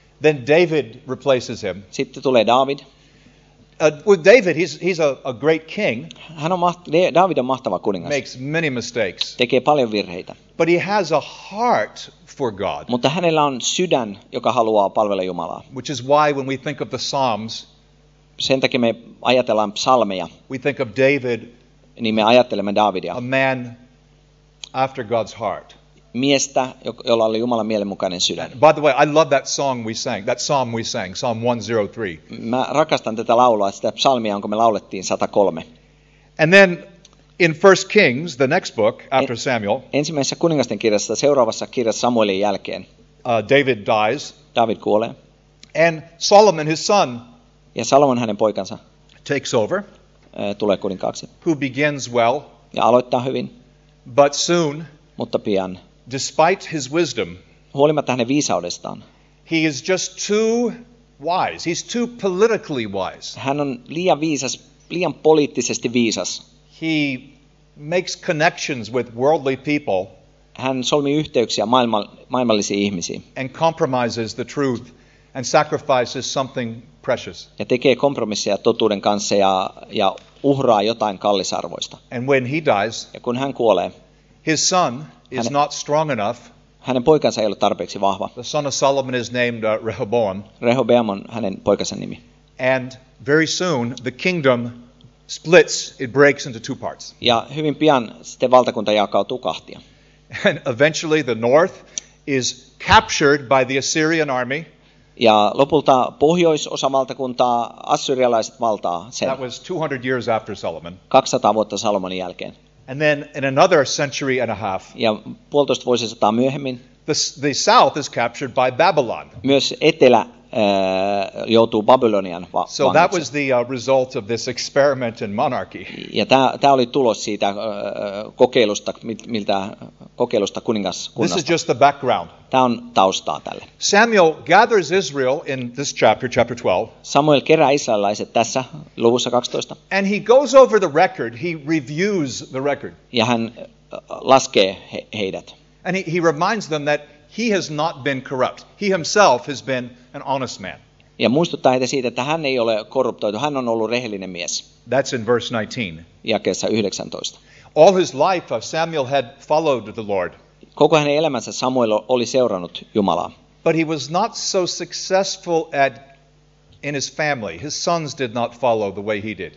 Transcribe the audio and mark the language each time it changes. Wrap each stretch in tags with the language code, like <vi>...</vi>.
<en>Then David replaces him.</en> <fi>Sitten tulee David.</fi> <en>With David, he's a great king.</en> <fi>David on mahtava kuningas.</fi> <en>Makes many mistakes.</en> <fi>Tekee paljon virheitä.</fi> <en>But he has a heart for God.</en> <fi>Mutta hänellä on sydän, joka haluaa palvella Jumalaa.</fi> <en>Which is why when we think of the Psalms,</en> <fi>sen takia me ajatellaan psalmeja.</fi> <en>We think of David.</en> <fi>Niin me ajattelemme Davidia.</fi> <en>A man after God's heart.</en> <fi>Miestä, jolla oli Jumalan mielenmukainen sydän.</fi> <en>By the way, I love that song we sang, that psalm we sang, Psalm 103.</en> <fi>Mä rakastan tätä laulua, sitä psalmia, jonka me laulettiin 103.</fi> <en>And then in 1 Kings, the next book after Samuel.</en> <fi>Ensimmäisessä kuningasten kirjassa, seuraavassa kirjassa Samuelin jälkeen.</fi> <en>David dies.</en> <fi>David kuolee.</fi> <en>And Solomon, his son.</en> <fi>Ja Salomon, hänen poikansa.</fi> <en>Takes over.</en> <fi>Tulee kuninkaaksi.</fi> <en>Who begins well.</en> <fi>Ja aloittaa hyvin.</fi> <en>But soon.</en> <fi>Mutta pian.</fi> <en>Despite his wisdom,</en> <fi>huolimatta hänen viisaudestaan,</fi> <en>he is just too wise. He's too politically wise.</en> <fi>Hän on liian viisas, liian poliittisesti viisas.</fi> <en>He makes connections with worldly people.</en> <fi>Hän solmii yhteyksiä maailmallisiin ihmisiin.</fi> <en>And compromises the truth and sacrifices something precious.</en> <fi>Ja tekee kompromisseja totuuden kanssa ja uhraa jotain kallisarvoista.</fi> <en>And when he dies,</en> <fi>ja kun hän kuolee,</fi> <en>his son is not strong enough.</en> <fi>Hänen poikansa ei ollut tarpeeksi vahva.</fi> <en>The son of Solomon is named Rehoboam.</en> <fi>Rehoboam on hänen poikansa nimi.</fi> <en>And very soon the kingdom splits, it breaks into two parts.</en> <fi>Ja hyvin pian sitten valtakunta jakautuu kahtia.</fi> <en>And eventually the north is captured by the Assyrian army.</en> <fi>Ja lopulta pohjoisosa valtakuntaa assyrialaiset valtaa sen.</fi> <en>That was 200 years after Solomon.</en> <fi>200 vuotta Salomonin jälkeen.</fi> <en>And then in another century and a half.</en> <fi>Ja puolitoista vuosisataa myöhemmin.</fi> <en>The south is captured by Babylon.</en> <fi>Myös etelä joutuu Babylonian vangiksi.</fi> <en>So that was the result of this experiment in monarchy.</en> <fi>Ja tämä oli tulos siitä kokeilusta kuningaskunnasta.</fi> <en>This is just the background.</en> <fi>Tämä on taustaa tälle.</fi> <en>Samuel gathers Israel in this chapter, chapter 12.</en> <fi>Samuel kerää israelaiset tässä luvussa 12.</fi> <en>And he goes over the record, he reviews the record.</en> <fi>Ja hän laskee heidät.</fi> <en>And he reminds them that he has not been corrupt. He himself has been an honest man.</en> <fi>Ja muistuttaa heitä siitä, että hän ei ole korruptoitu. Hän on ollut rehellinen mies.</fi> <en>That's in verse 19.</en> <fi>Jakeessa 19.</fi> <en>All his life Samuel had followed the Lord.</en> <fi>Koko hänen elämänsä Samuel oli seurannut Jumalaa.</fi> <en>But he was not so successful at in his family. His sons did not follow the way he did.</en>